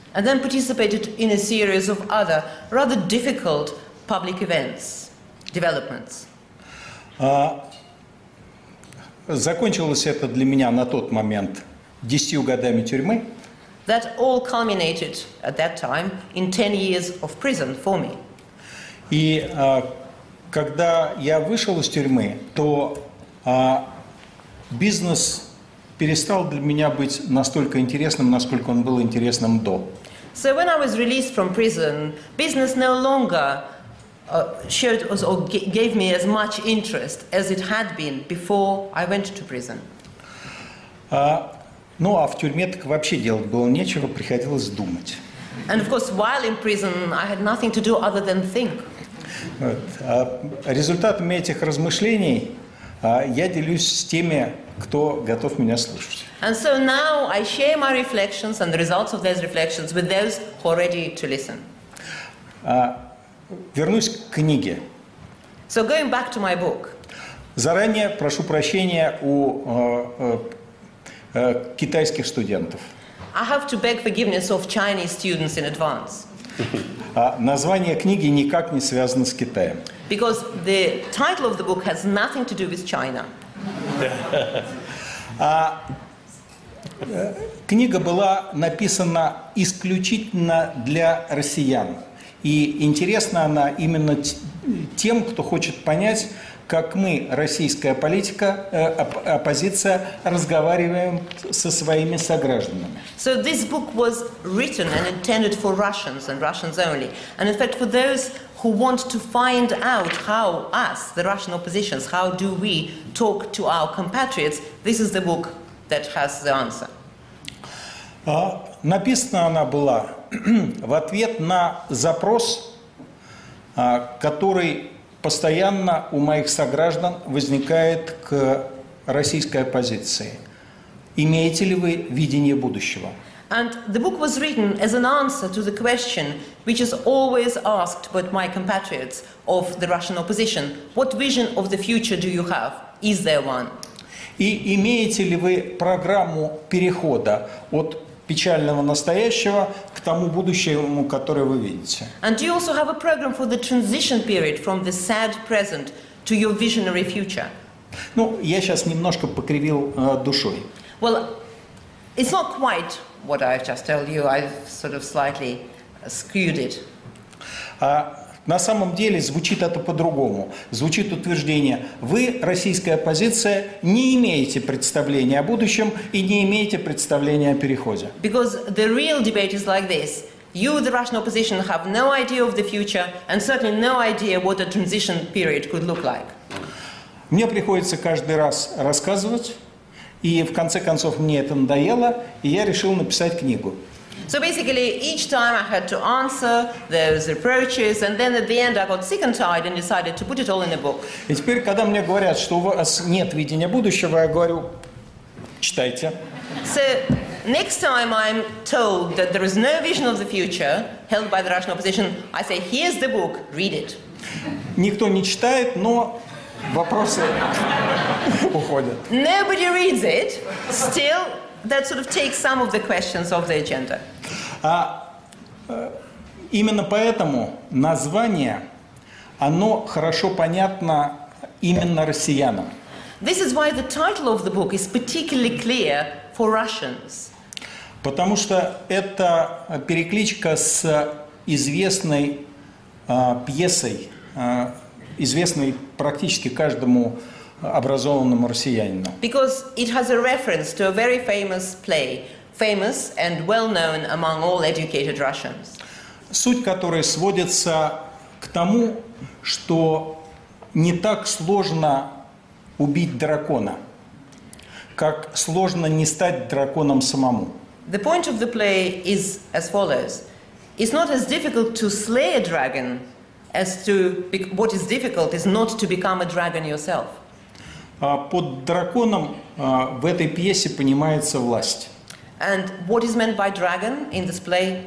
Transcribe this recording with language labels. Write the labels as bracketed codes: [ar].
[en] And then participated in a series of other rather difficult public events, developments. [ru] Закончилось это для меня на тот момент 10 годами тюрьмы. [en] That all culminated at that time in 10 years of prison for me. [ru] И когда я вышел из тюрьмы, то бизнес перестал для меня быть настолько интересным, насколько он был интересным до. [en] So when I was released from prison, business no longer showed us or gave me as much interest as it had been before I went to prison. [ru] Ну а в тюрьме так вообще делать было нечего, приходилось думать. [en] And of course, while in prison, I had nothing to do other than think. [ru] Результатами этих размышлений я делюсь с теми, кто готов меня слушать. [en] And so now I share my reflections and the results of those reflections with those who are ready to listen. [ru] Вернусь к книге. [en] So going back to my book. [ru] Заранее прошу прощения у китайских студентов. [en] I have to beg forgiveness of Chinese students in advance. [ru] Название книги никак не связано с Китаем. [en] Because the title of the book has nothing to do with China. [ru] Книга была написана исключительно для россиян. И интересна она именно тем, кто хочет понять, как мы, российская политика, оппозиция, разговариваем со своими согражданами. [en] So this book was written and intended for Russians and Russians only. And in fact, for those who want to find out how us, the Russian oppositions, how do we talk to our compatriots, this is the book that has the answer. [ru] Написана она была в ответ на запрос, который постоянно у моих сограждан возникает к российской оппозиции. Имеете ли вы видение будущего? [en] And the book was written as an answer to the question which is always asked by my compatriots of the Russian opposition. What vision of the future do you have? Is there one? [ru] И имеете ли вы программу перехода от печального настоящего к тому будущему, которое вы видите? [en] And do you also have a program for the transition period from the sad present to your visionary future? [ru] Ну, я сейчас немножко покривил душой. [en] Well, it's not quite what I've just told you. I've sort of slightly skewed it. [ru] На самом деле звучит это по-другому. Звучит утверждение: вы, российская оппозиция, не имеете представления о будущем и не имеете представления о переходе. [en] Because the real debate is like this. You, the Russian opposition, have no idea of the future and certainly no idea what a transition period could look like. [ru] Мне приходится каждый раз рассказывать, и в конце концов мне это надоело, и я решил написать книгу. [en] So basically, each time I had to answer those reproaches, and then at the end I got sick and tired and decided to put it all in a book. [ru] И теперь, когда мне говорят, что у вас нет видения будущего, я говорю, читайте. [en] So next time I'm told that there is no vision of the future held by the Russian opposition, I say, here's the book, read it. [ru] Никто не читает, но вопросы уходят. [en] Nobody reads it, still that sort of takes some of the questions off the agenda. [ru] А именно поэтому название, оно хорошо понятно именно россиянам. [en] This is why the title of the book is particularly clear for Russians. [ru] Потому что это перекличка с известной пьесой, известной практически каждому образованному россиянину. [en] Because it has a reference to a very famous play, famous and well-known among all educated Russians. [ru] Суть которой сводится к тому, что не так сложно убить дракона, как сложно не стать драконом самому. [en] The point of the play is as follows. It's not as difficult to slay a dragon as to what is difficult is not to become a dragon yourself. [ru] Под драконом в этой пьесе понимается власть. [en] And what is meant by dragon in this play?